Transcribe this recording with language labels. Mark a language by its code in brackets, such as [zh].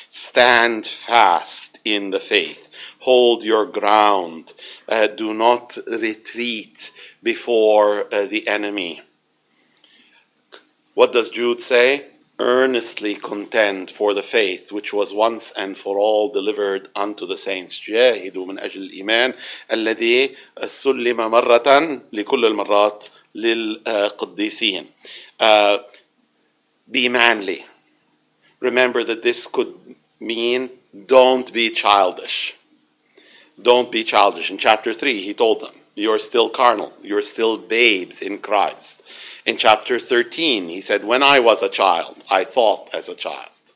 [en] Stand fast in the faith. Hold your ground. Do not retreat before the enemy. What does Jude say? Earnestly contend for the faith which was once and for all delivered unto the saints. [ar] جاهدوا من أجل الإيمان الذي سلم مرة لكل المرات للقديسين. [en] Be manly. Remember that this could mean don't be childish. Don't be childish. In chapter 3, he told them, you're still carnal. You're still babes in Christ. In chapter 13, he said, when I was a child, I thought as a child.